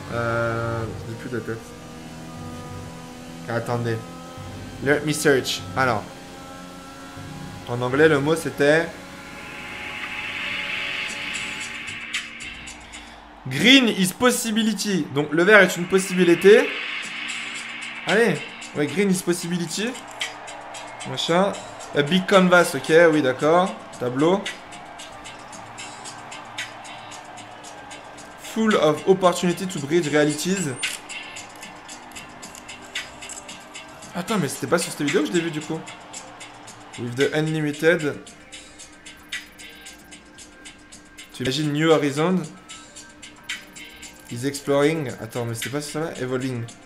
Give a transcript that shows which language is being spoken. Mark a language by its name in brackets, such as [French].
[French] Je n'ai plus de tête. Attendez. [English] Let me search. [French] Alors. En anglais, le mot c'était. [English] Green is possibility. [French] Donc le vert est une possibilité. Allez. Ouais, [English] green is possibility. [French] Machin. [English] A big canvas, ok, [French] oui, d'accord. Tableau. [English] Full of opportunity to bridge realities. [French] Attends, mais c'était pas sur cette vidéo que je l'ai vu du coup. [English] With the unlimited. [French] Tu imagines New Horizon. [English] Is exploring. [French] Attends, mais c'était pas sur ça là. [English] Evolving.